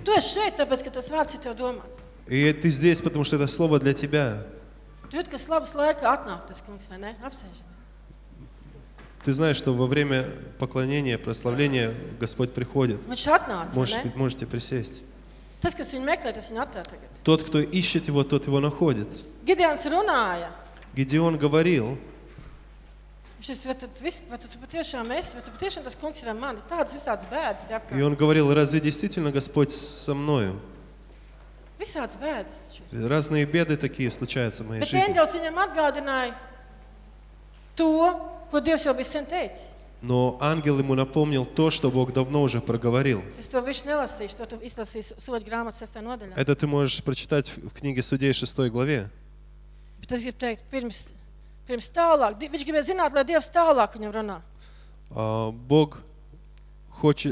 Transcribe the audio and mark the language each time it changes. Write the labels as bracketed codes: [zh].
[lv] Tu esi šeit, tāpēc, ka tas vārds ir tev domāts. [ru] И ты здесь, потому что это слово для тебя. [lv] Tu jūti, ka slavas laika atnāk tas kungs, vai ne? Apsēžamies. [ru] Ты знаешь, что во время поклонения, прославления Господь приходит. [lv] Viņš atnāc, vai ne? [ru] Можете присесть. [lv] Tas, kas viņu meklē, tas viņu atrāk tagad. [ru] Тот, кто ищет его, тот его находит. [lv] Gideons runāja. [ru] Gideon говорил. [lv] Šis, vai tu patiešām tas kungs ir ar mani? Tāds visāds bēdas. [ru] И он говорил, разве действительно Господь со мною? [lv] Visāds bēdas. [ru] Разные беды такие случаются в моей [lv] Bet [ru] жизни. [lv] Bet ēngels viņam atgādināja to, ko Dievs jau bija sen teicis. [ru] Но ангел ему напомнил то, что Бог давно уже проговорил. Это ты можешь прочитать в книге Судей 6 главе. Бог хочет,